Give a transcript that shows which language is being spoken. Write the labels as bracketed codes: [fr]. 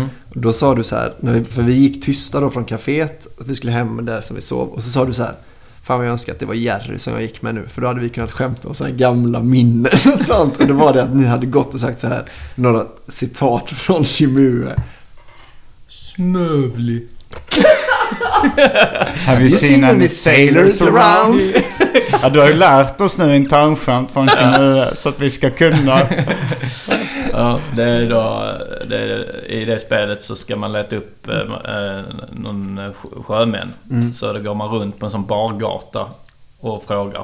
[sv] Då sa du så här, när vi, för vi gick tysta då från kaféet, vi skulle hem där som vi sov, och så sa du så här, fan vad jag önskar att det var Jerry som jag gick med nu, för då hade vi kunnat skämta om så här gamla minnen och sånt. Och det var det att ni hade gått och sagt så här några citat från Shimue. Snövlig. [en] Have you seen any sailors around? [sv] Ja, du har ju lärt oss nu internskämt från Shimue så att vi ska kunna. Ja, det är då, det är, i det spelet så ska man leta upp någon sjömän. Så då går man runt på en sån bargata och frågar.